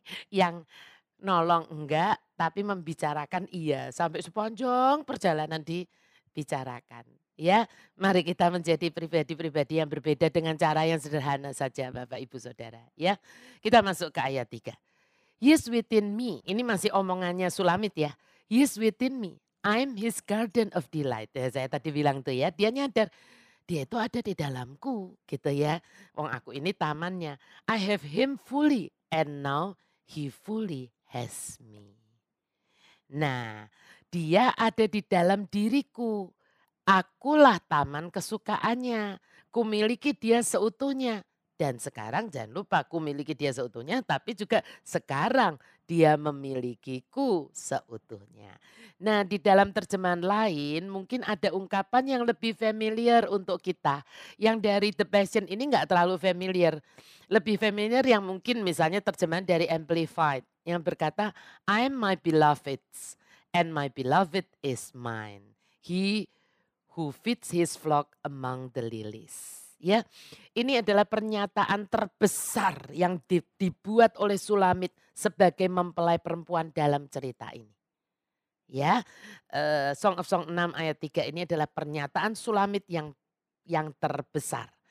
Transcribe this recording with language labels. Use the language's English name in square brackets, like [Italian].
[Indonesian] Yang nolong enggak tapi membicarakan iya sampai sepanjang perjalanan dibicarakan. Ya, mari kita menjadi pribadi-pribadi yang berbeda dengan cara yang sederhana saja Bapak Ibu Saudara, ya. Kita masuk ke ayat 3. [English] He is within me. [Indonesian] Ini masih omongannya Sulamit ya. [English] He is within me. I'm his garden of delight. [Indonesian] Ya, saya tadi bilang tuh ya, dia nyadar dia itu ada di dalamku, gitu ya. Wong aku ini tamannya. [English] I have him fully and now he fully has me. [Indonesian] Nah, dia ada di dalam diriku. Akulah taman kesukaannya, kumiliki dia seutuhnya. Dan sekarang jangan lupa kumiliki dia seutuhnya, tapi juga sekarang dia memilikiku seutuhnya. Nah di dalam terjemahan lain mungkin ada ungkapan yang lebih familiar untuk kita. Yang dari The Passion ini enggak terlalu familiar. Lebih familiar yang mungkin misalnya terjemahan dari Amplified. Yang berkata, [English] I am my beloved's and my beloved is mine. He who feeds his flock among the lilies. [Indonesian] Ya, ini adalah pernyataan terbesar yang dibuat oleh Sulamit sebagai mempelai perempuan dalam cerita ini. Ya, Song of Song 6 ayat 3 ini adalah pernyataan Sulamit yang terbesar.